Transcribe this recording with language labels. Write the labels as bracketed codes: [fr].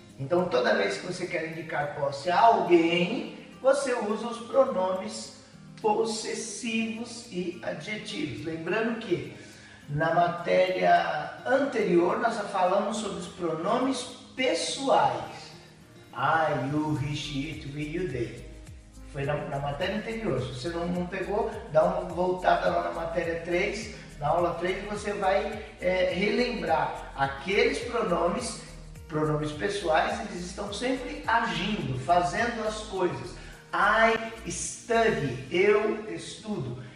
[pt] Então toda vez que você quer indicar posse a alguém, você usa os pronomes possessivos e adjetivos. Lembrando que na matéria anterior nós já falamos sobre os pronomes pessoais. [en] I, you, he, she, it, we, you, they. [pt] Foi na matéria anterior. Se você não pegou, dá uma voltada lá na matéria 3. Na aula 3 você vai relembrar aqueles pronomes, pronomes pessoais, eles estão sempre agindo, fazendo as coisas. [en] I study, [pt] eu estudo.